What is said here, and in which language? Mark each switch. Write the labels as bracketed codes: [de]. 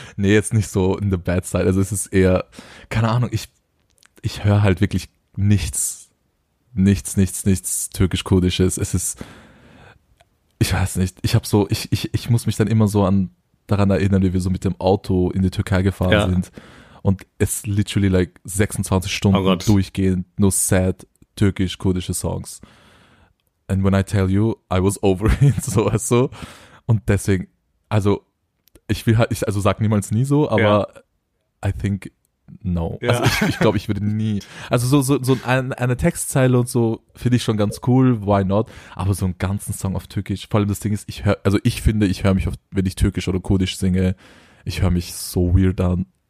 [de] Nee, jetzt nicht so [en] in the bad side. [de] Also es ist eher, keine Ahnung, ich höre halt wirklich nichts türkisch-kurdisches. Es ist, ich weiß nicht, ich habe so, ich muss mich dann immer so an daran erinnern, wie wir so mit dem Auto in die Türkei gefahren sind und es [en] literally like [de] 26 Stunden durchgehend nur sad türkisch-kurdische Songs. [en] And when I tell you, I was over it, so was so. [de] Und deswegen, also ich will halt, ich also sag niemals nie so, aber [en] I think no. [de] Ja. Also ich glaube, ich würde nie. Also so eine Textzeile und so finde ich schon ganz cool, [en] why not? [de] Aber so einen ganzen Song auf Türkisch, vor allem das Ding ist, ich höre mich oft, wenn ich Türkisch oder Kurdisch singe, ich höre mich so weird an.